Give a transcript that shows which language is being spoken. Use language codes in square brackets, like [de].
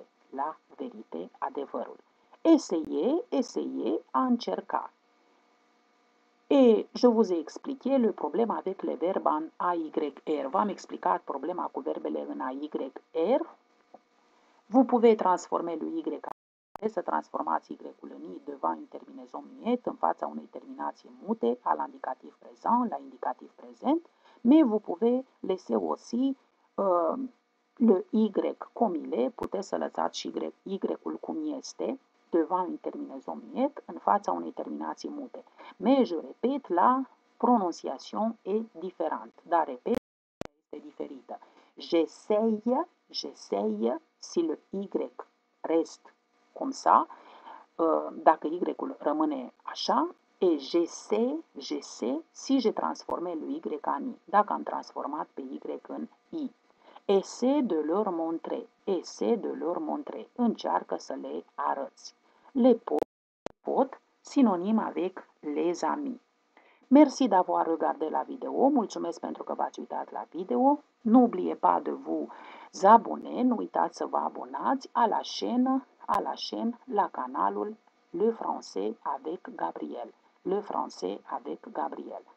[fr] La vérité, adevărul. Essayez, essayez, [ro] a încerca. [fr] Et je vous ai expliqué le problème avec les verbes en AYR. [ro] V-am explicat problema cu verbele în AYR. [fr] Vous pouvez transformer le Y. [ro] Să transformați Y-ul în I [fr] devant une terminaison muette, [ro] în fața unei terminații mute, [fr] à l'indicatif présent, [ro] la indicatif présent. [fr] Mais vous pouvez laisser aussi le Y comme il est. [ro] Puteți să lăsați și Y-ul cum este. [fr] Devant une terminaison muette, [ro] în fața unei terminații mute. [fr] Mais je répète, la prononciation est différente. [ro] Dar repet, este diferită. [fr] J'essaye, j'essaye, si le Y reste cum ça, [ro] dacă Y-ul rămâne așa, [fr] et j'essaie, j'essaie, si je transforme le Y en I, [ro] dacă am transformat pe Y în I. [fr] Essaie de leur montrer, essaie de leur montrer, [ro] încearcă să le arăți. [fr] Le pot, pot, sinonim avec les amis. Merci d'avoir regardé la vidéo. [ro] Mulțumesc pentru că v-ați uitat la video. [fr] Nu oubliez pas de vous abonner. [ro] Nu uitați să vă abonați [fr] à la chaîne, à la chaîne, [ro] la canalul [fr] Le Français avec Gabriel. Le Français avec Gabriel.